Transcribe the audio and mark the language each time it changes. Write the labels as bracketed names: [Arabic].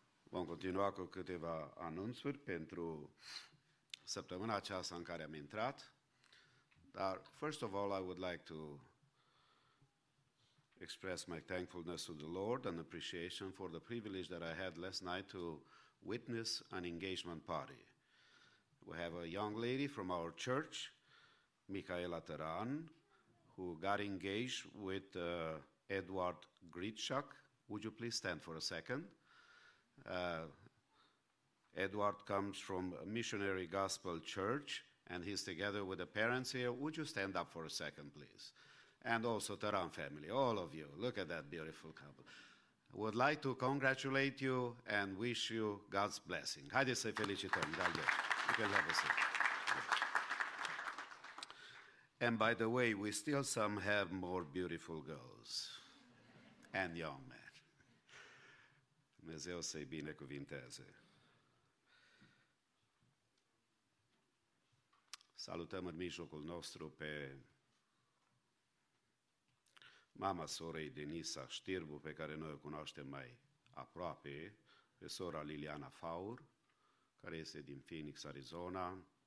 [Romanian] continua cu câteva anunțuri pentru săptămâna aceasta în care am intrat. Dar, [English] first of all, I would like to express my thankfulness to the Lord and appreciation for the privilege that I had last night to witness an engagement party. We have a young lady from our church, Micaela Taran, who got engaged with Edward Gritschak. Would you please stand for a second? Edward comes from Missionary Gospel Church, and he's together with the parents here. Would you stand up for a second, please? And also Taran family, all of you. Look at that beautiful couple. I would like to congratulate you and wish you God's blessing. [Romanian] Haideți să-i felicităm. [English] You can have a seat. And by the way, we still some have more beautiful girls and young men. [Romanian] Dumnezeu să-i binecuvinteze. Salutăm în mijlocul nostru pe mama sorei Denisa Știrbu, pe care noi o cunoaștem mai aproape, pe sora Liliana Faur, care este din Phoenix, Arizona.